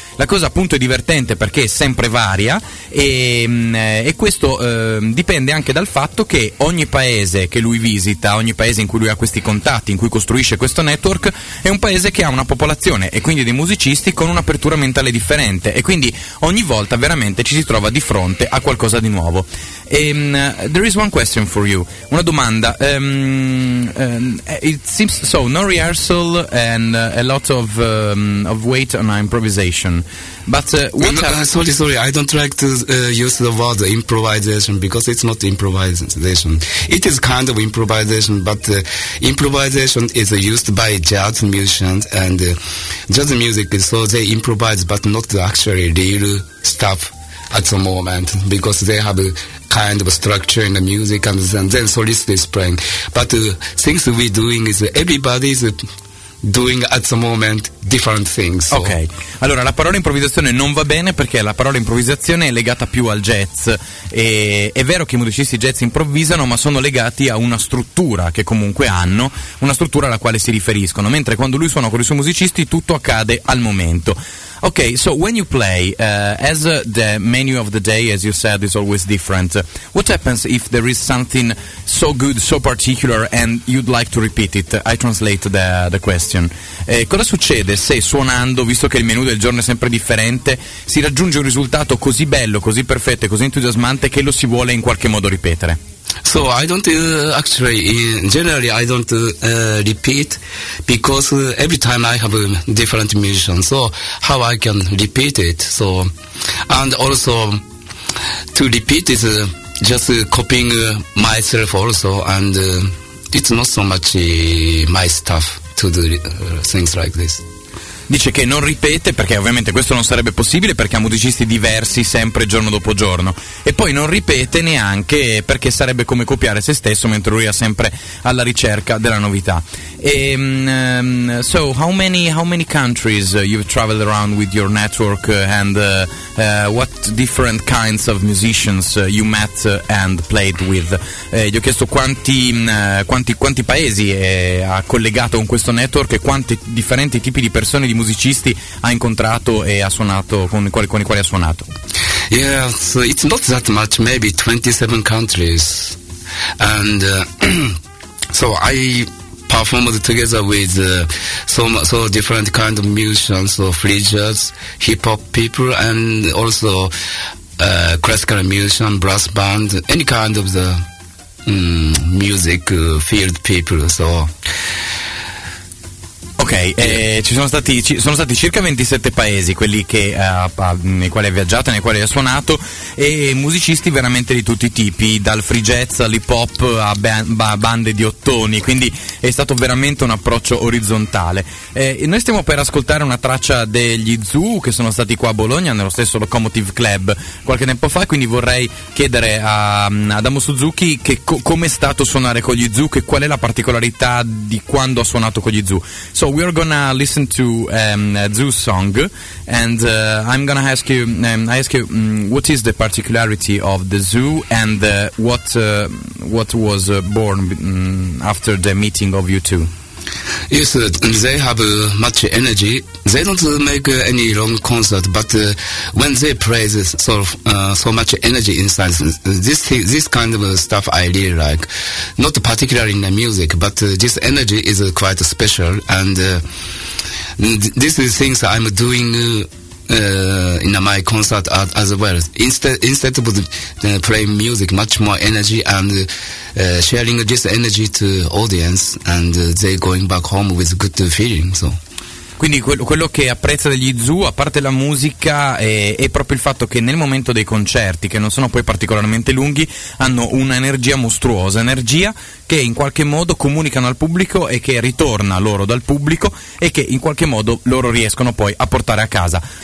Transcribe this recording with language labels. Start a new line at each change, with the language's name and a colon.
Italian: La cosa appunto è divertente perché è sempre varia, e questo dipende anche dal fatto che ogni paese che lui visita, ogni paese in cui lui ha questi contatti, in cui costruisce questo network, è un paese che ha una popolazione e quindi dei musicisti con un'apertura mentale differente, e quindi ogni volta veramente ci si trova di fronte a qualcosa di nuovo.
English: There is one question for you.
Italian: Una domanda.
English: It seems so no rehearsal and a lot of weight on improvisation. But sorry, I don't like to use the word improvisation, because it's not improvisation. It is kind of improvisation, but improvisation is used by jazz musicians, and jazz music, so they improvise, but not actually real stuff at the moment, because they have kind of a structure in the music and then solist is playing. But things we're doing is everybody's doing at the moment different things.
Italian: Ok, allora la parola improvvisazione non va bene, perché la parola improvvisazione è legata più al jazz, e è vero che i musicisti jazz improvvisano, ma sono legati a una struttura che comunque hanno, una struttura alla quale si riferiscono, mentre quando lui suona con i suoi musicisti tutto accade al momento.
English: Ok, so when you play, as the menu of the day, as you said, is always different, what happens if there is something so good, so particular, and you'd like to repeat it? I translate the question.
Italian: Cosa succede se suonando, visto che il menu del giorno è sempre differente, si raggiunge un risultato così bello, così perfetto e così entusiasmante che lo si vuole in qualche modo ripetere?
English: So I don't generally I don't repeat, because every time I have a different musician, so how I can repeat it? So, and also to repeat is just copying myself also, and it's not so much my stuff to do things like this.
Italian: Dice che non ripete, perché ovviamente questo non sarebbe possibile perché ha musicisti diversi sempre giorno dopo giorno, e poi non ripete neanche perché sarebbe come copiare se stesso, mentre lui è sempre alla ricerca della novità.
English: E, so how many countries you've traveled around with your network, and what different kinds of musicians you met and played with?
Italian: Gli ho chiesto quanti paesi ha collegato con questo network e quanti differenti tipi di persone, di musicisti ha incontrato e ha suonato con i quali ha suonato.
English: Yeah, so it's not that much, maybe 27 countries, and so I performed together with so different kind of musicians, so free jazz, hip hop people, and also classical musician, brass band, any kind of the music field people. So
Italian: ok, ci sono stati circa 27 paesi, quelli che, nei quali ha viaggiato, nei quali ha suonato, e musicisti veramente di tutti i tipi, dal free jazz all'hip hop a bande di ottoni, quindi è stato veramente un approccio orizzontale. Noi stiamo per ascoltare una traccia degli Zoo, che sono stati qua a Bologna nello stesso Locomotive Club qualche tempo fa, quindi vorrei chiedere a Adamo Suzuki che come è stato suonare con gli Zoo, che qual è la particolarità di quando ha suonato con gli Zoo.
English: So we're gonna listen to Zoo's song, and I'm gonna ask you. I ask you, what is the particularity of the Zoo, and what was born after the meeting of you two? Yes, they have much energy. They don't make any long concert, but when they play, this sort of so much energy inside. This kind of stuff I really like. Not particularly in the music, but this energy is quite special. And this is things I'm doing in my concert as well. Instead of playing music, much more energy, and sharing this energy to audience, and they going back home with good feeling. So
Italian: quindi quello che apprezza degli Zoo, a parte la musica, è proprio il fatto che nel momento dei concerti, che non sono poi particolarmente lunghi, hanno un'energia mostruosa, energia che in qualche modo comunicano al pubblico e che ritorna loro dal pubblico e che in qualche modo loro riescono poi a portare a casa.